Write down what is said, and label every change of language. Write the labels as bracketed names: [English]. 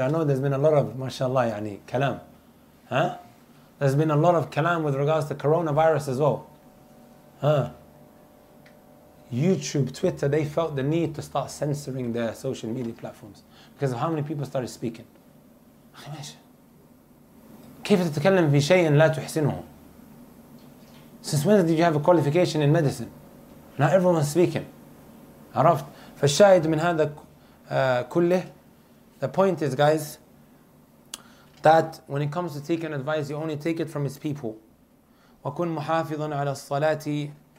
[English] I know there's been a lot of, mashallah, yani, kalam. There's been a lot of kalam with regards to coronavirus as well. YouTube, Twitter, they felt the need to start censoring their social media platforms because of how many people started speaking. [Arabic] كيف تتكلم في شيء لا تحسنه? [English] Since when did you have a qualification in medicine? Not everyone's speaking. [Arabic] عرفت? فالشاهد من هذا كله, [English] the point is, guys, that when it comes to taking advice, you only take it from his people. [Arabic] وَكُنْ مُحَافِظًا عَلَى الصَّلَاةِ.